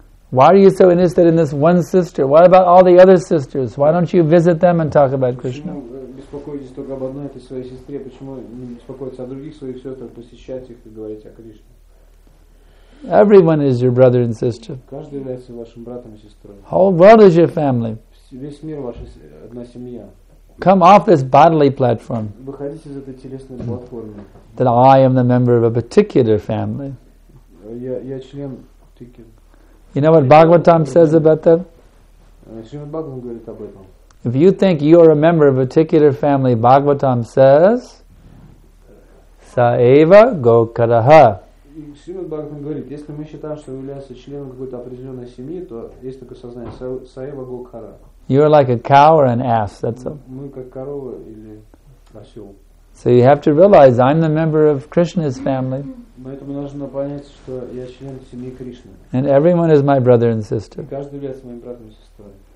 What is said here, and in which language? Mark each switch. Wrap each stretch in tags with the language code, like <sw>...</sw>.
<en>Why are you so interested in this one sister? What about all the other sisters? Why don't you visit them and talk about Krishna?</en> <ru>Беспокоитесь только об одной этой своей сестре, почему не беспокоиться о других своих сестрах, посещать их и говорить о Кришне?</ru> <en>Everyone is your brother and sister.</en> <ru>Каждый является вашим братом и сестрой.</ru> <en>Whole world is your family.</en> <ru>Весь мир ваша одна семья.</ru> <en>Come off this bodily platform.</en> <ru>Выходите из этой телесной платформы.</ru> <en>That I am the member of a particular family.</en> <ru>Я член таким.</ru> <en>You know what Bhagavatam says about that?</en> <ru>Шримад Бхагаватам говорит об этом.</ru> <en>If you think you are a member of a particular family, Bhagavatam says,</en> <sa>Sa eva gokaraha.</sa> <ru>Shrimad Bhagavatam говорит, если мы считаем, что вы являетесь членом какой-то определенной семьи, то есть такое сознание,</ru> <sa>Sa eva gokaraha.</sa> <en>You are like a cow or an ass, that's all.</en> <ru>Мы как корова или осел.</ru> <en>So you have to realize, I'm the member of Krishna's family.</en> <ru>Поэтому нужно понять, что я член семьи Кришны.</ru> <en>And everyone is my brother and sister.</en> <ru>И каждый является моим братом и сестрой.</ru>